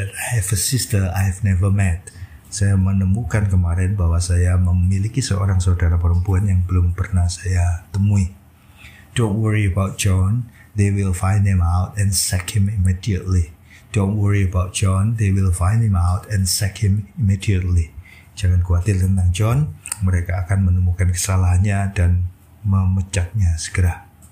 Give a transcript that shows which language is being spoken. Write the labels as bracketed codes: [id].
[en] I found out yesterday that I have a sister I have never met. [id] Saya menemukan kemarin bahwa saya memiliki seorang saudara perempuan yang belum pernah saya temui. [en] Don't worry about John. They will find him out and sack him immediately. Don't worry about John. They will find him out and sack him immediately. [id] Jangan khawatir tentang John. Mereka akan menemukan kesalahannya dan memecatnya segera.